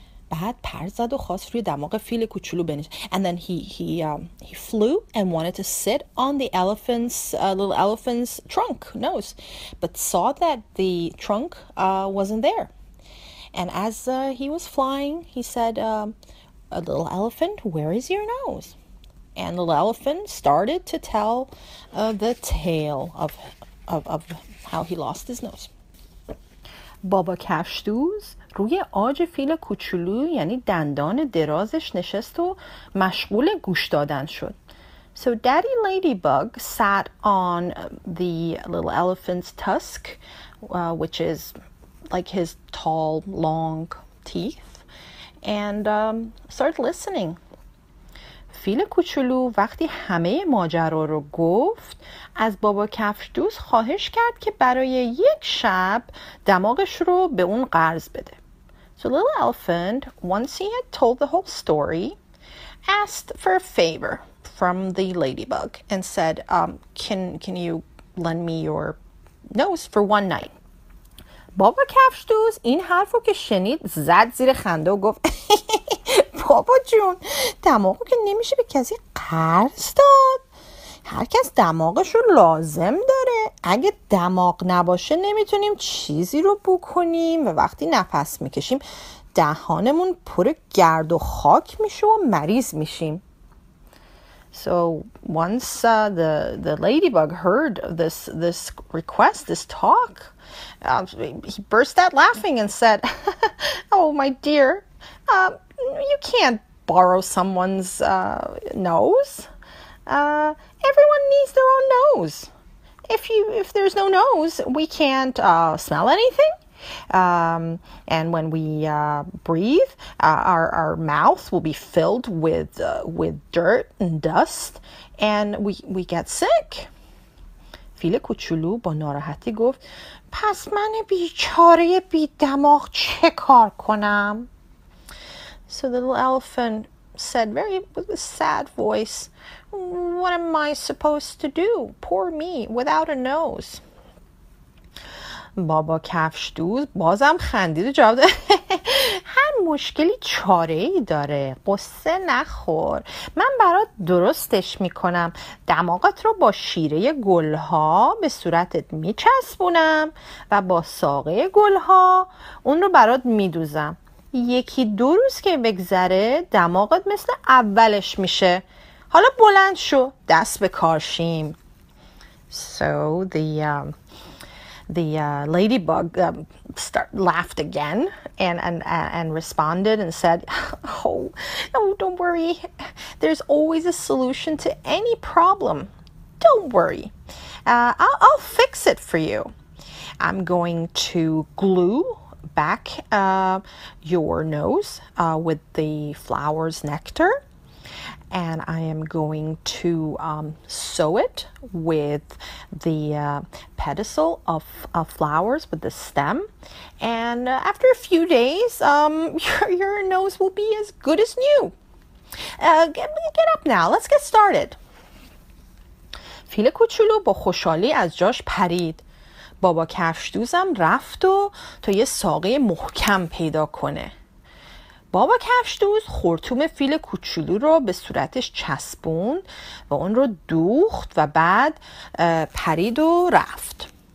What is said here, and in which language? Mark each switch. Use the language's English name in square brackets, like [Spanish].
[Persian] بعد پر زد و خواست روی دماغ فیل کوچولو بنشینه. [English] And then he flew and wanted to sit on the elephant's little elephant's trunk nose, but saw that the trunk wasn't there. And as he was flying, he said, "A little elephant, where is your nose?" And the little elephant started to tell the tale of how he lost his nose. [Persian] بابا کفش‌دوز روی آج فیل کوچولو، یعنی دندان درازش، نشست و مشغول گوش دادن شد. [English] So Daddy Ladybug sat on the little elephant's tusk, which is like his tall, long teeth, and started listening. [Persian] فیل کوچولو وقتی همه ماجرا رو گفت، از بابا کفش‌دوز خواهش کرد که برای یک شب دماغش رو به اون قرض بده. [English] So little elephant, once he had told the whole story, asked for a favor from the ladybug and said, "Can you lend me your nose for one night?" [Persian] بابا کفش‌دوز این حرف رو که شنید زد زیر خنده و گفت: بابا جون، دماغو که نمیشه به کسی قرض داد. هر کس دماغش رو لازم داره. اگه دماغ نباشه نمیتونیم چیزی رو بکنیم و وقتی نفس میکشیم دهانمون پر گرد و خاک میشه و مریض میشیم. [English] So once the ladybug heard this request, this talk, he burst out laughing and said, "Oh my dear, you can't borrow someone's nose. Everyone needs their own nose. If there's no nose, we can't smell anything. And when we breathe, our mouth will be filled with dirt and dust, and we get sick." [Persian] فیل کوچولو با ناراحتی گفت: پس من بیچاره بی دماغ چه کار کنم؟ [English] So the little elephant said with a sad voice, "What am I supposed to do? Poor me, without a nose." [Persian] بابا کفش دوز بازم خندید و جواب داد: هر مشکلی چاره ای داره، قصه نخور، من برات درستش میکنم. دماغت رو با شیره گلها به صورتت میچسبونم و با ساقه گلها اون رو برات میدوزم. یکی دو روز که بگذره دماغت مثل اولش میشه. حالا بلند شو، دست به کارشیم. [English] So the ladybug laughed again and responded and said, "Oh, no, don't worry. There's always a solution to any problem. Don't worry. I'll fix it for you. I'm going to glue back your nose with the flower's nectar, and I am going to sew it with the pedicel of flowers with the stem, and after a few days your nose will be as good as new. Get up now, let's get started." [Persian] فیل کوچولو با خوشحالی از جاش پرید. بابا کفش دوزم رفت و تا یه ساقه محکم پیدا کنه. بابا کفش دوز خرطوم فیل کوچولو رو به صورتش چسبوند و اون رو دوخت و بعد پرید و رفت.